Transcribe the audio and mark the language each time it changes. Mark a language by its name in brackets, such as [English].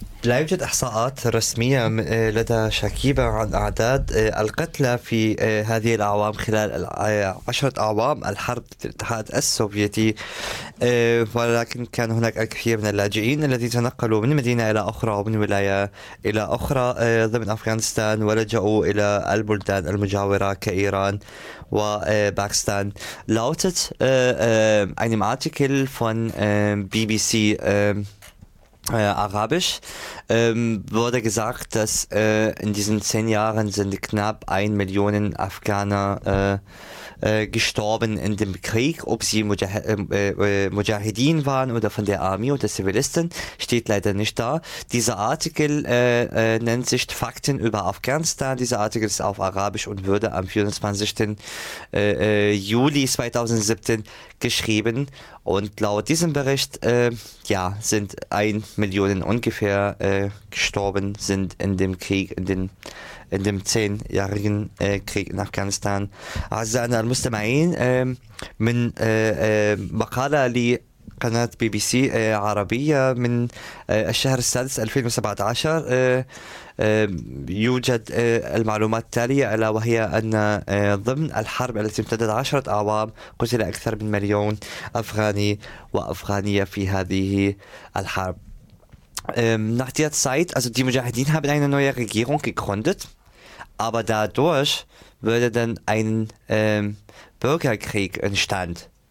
[Arabic] لا يوجد إحصاءات رسمية لدى شكيبة عن أعداد القتلى في هذه الأعوام خلال عشرة أعوام الحرب في الاتحاد السوفيتي، ولكن كان هناك الكثير من اللاجئين الذين تنقلوا من مدينة إلى أخرى ومن ولاية إلى أخرى ضمن أفغانستان ولجأوا إلى البلدان المجاورة كإيران وباكستان. لاوتت [German] ein Artikel von BBC Arabisch wurde gesagt, dass in diesen 10 Jahren sind knapp 1 Million Afghaner gestorben in dem Krieg. Ob sie Mujahideen waren oder von der Armee oder Zivilisten, steht leider nicht da. Dieser Artikel nennt sich Fakten über Afghanistan. Dieser Artikel ist auf Arabisch und wurde am 24. Juli 2017 geschrieben. Und laut diesem Bericht sind 1 Million ungefähr gestorben sind in dem Krieg, in dem 10-jährigen Krieg in Afghanistan. [Arabic] أعزائنا المستمعين، من مقالة لقناة بي بي سي عربية من الشهر السادس 2017 يوجد المعلومات التالية، ألا وهي أن ضمن الحرب التي امتدت 10 أعوام قتل أكثر من 1 مليون أفغاني وأفغانية في هذه الحرب. [German] Nach der Zeit, also die Mujahideen haben eine neue Regierung gegründet, aber dadurch würde dann ein Bürgerkrieg entstand.